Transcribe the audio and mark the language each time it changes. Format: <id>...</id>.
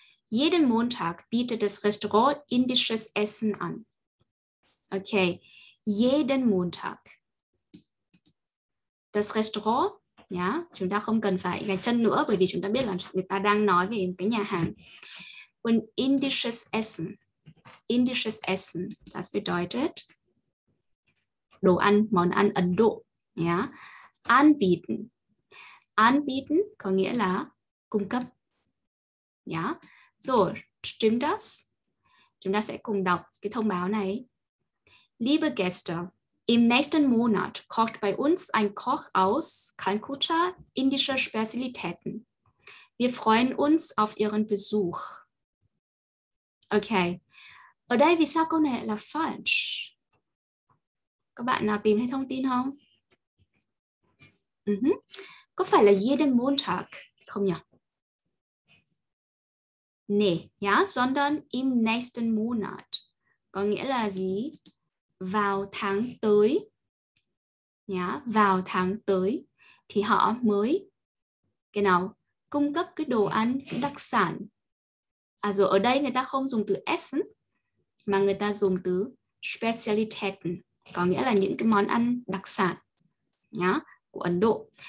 <de>Jeden Montag bietet das Restaurant indisches Essen an. Okay. Jeden Montag. Das Restaurant, ja,</de> <vi>chúng ta không cần phải gạch chân nữa bởi vì chúng ta biết là người ta đang nói về cái nhà hàng.</vi> <de>Und indisches Essen. Indisches Essen, das bedeutet</de> <vi>đồ ăn, món ăn Ấn Độ.</vi> <de>Ja. Anbieten.</de> <vi>Anbieten có nghĩa là cung cấp. Ja.</vi> <de>So, stimmt das?</de> <vi>Chúng ta sẽ cùng đọc cái thông báo này.</vi> <de>Liebe Gäste, im nächsten Monat kocht bei uns ein Koch aus Kalkutta indische Spezialitäten. Wir freuen uns auf Ihren Besuch. Okay.</de> <vi>Ở đây vì sao câu này là falsch? Các bạn nào tìm thấy thông tin không? Có phải là</vi> <de>jeden Montag</de> <vi>không nhỉ?</vi> <de>Nee, ja, sondern im nächsten Monat.</de> <vi>Có nghĩa là gì? Vào tháng tới nhá, vào tháng tới thì họ mới cái nào cung cấp cái đồ ăn cái đặc sản. À rồi ở đây người ta không dùng từ Essen mà người ta dùng từ Spezialitäten, có nghĩa là những cái món ăn đặc sản nhá của Ấn Độ.</vi>